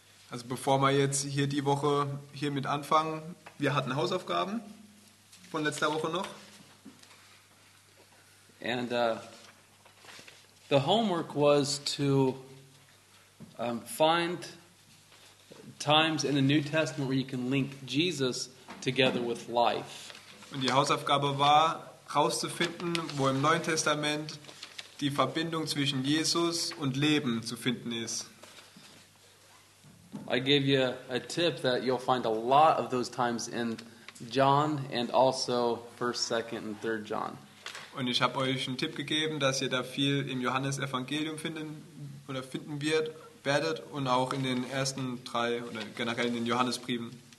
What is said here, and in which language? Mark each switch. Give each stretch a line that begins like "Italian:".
German: Also bevor wir jetzt hier die Woche hier mit anfangen, wir hatten Hausaufgaben von letzter Woche noch.
English: And the homework was to find times in the New Testament where you can link Jesus together with life.
German: Und die Hausaufgabe war herauszufinden, wo im Neuen Testament die Verbindung zwischen Jesus und Leben zu finden ist.
English: I gave you a tip that you'll find a lot of those times in John and also 1st, 2nd and 3rd John.
German: Und ich habe euch einen Tipp gegeben, dass ihr da viel im Johannesevangelium finden werdet und auch in den ersten drei oder generell in den Johannesbriefen.